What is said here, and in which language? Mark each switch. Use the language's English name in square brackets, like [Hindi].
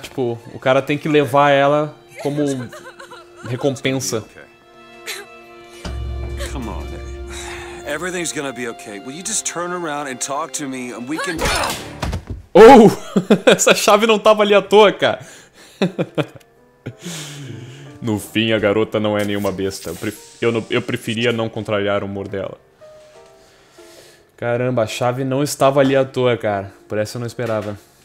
[Portuguese] Tipo, o cara tem que levar ela como recompensa. [English] Come on. Everything's gonna be okay. Will you just turn around and talk to me and we can. Oh! [Portuguese] Essa chave não tava ali à toa, cara. No fim, a garota não é nenhuma besta. Eu preferia não contrariar o humor dela. Caramba, a chave não estava ali à toa, cara. Por essa eu não esperava.